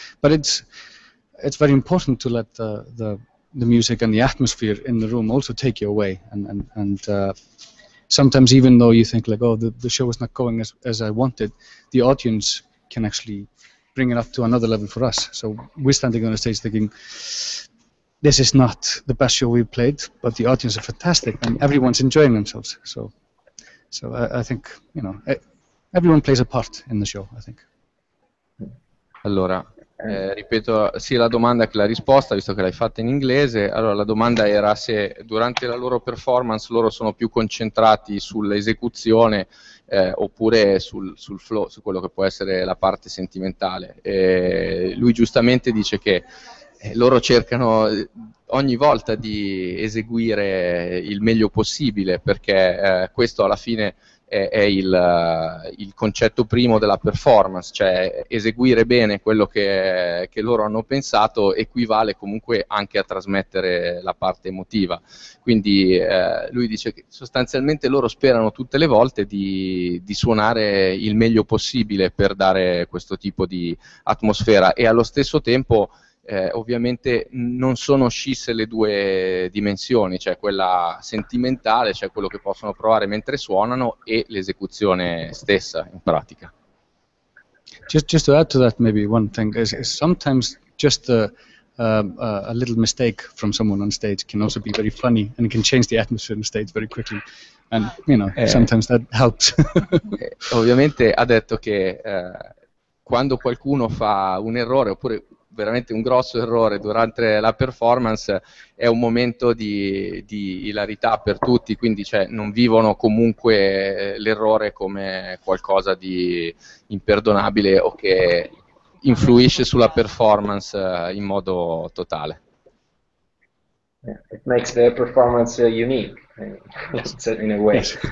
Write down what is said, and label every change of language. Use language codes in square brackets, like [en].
[en] But it's very important to let the music and the atmosphere in the room also take you away, and sometimes, even though you think like, oh, the show is not going as I wanted, the audience can actually bring it up to another level for us. So we're standing on the stage thinking, this is not the best show we've played, but the audience are fantastic and everyone's enjoying themselves. So I think, you know, everyone plays a part in the show, I think. [it] Allora. Ripeto sia la domanda che la risposta, visto che l'hai fatta in inglese. Allora, la domanda era se durante la loro performance loro sono più concentrati sull'esecuzione oppure sul flow, su quello che può essere la parte sentimentale. Lui giustamente dice che loro cercano ogni volta di eseguire il meglio possibile, perché questo alla fine è il concetto primo della performance, cioè eseguire bene quello che loro hanno pensato equivale comunque anche a trasmettere la parte emotiva. Quindi lui dice che sostanzialmente loro sperano tutte le volte di suonare il meglio possibile per dare questo tipo di atmosfera, e allo stesso tempo ovviamente non sono scisse le due dimensioni, cioè quella sentimentale, cioè quello che possono provare mentre suonano, e l'esecuzione stessa in pratica. [en] Just to add to that, maybe one thing is sometimes just a little mistake from someone on stage can also be very funny and can change the atmosphere on stage very quickly, and you know, sometimes that helps. [it] Ovviamente ha detto che quando qualcuno fa un errore, oppure veramente un grosso errore durante la performance, è un momento di ilarità per tutti, quindi cioè, non vivono comunque l'errore come qualcosa di imperdonabile o che influisce sulla performance in modo totale. [en] Yeah, it makes the performance unique in a way.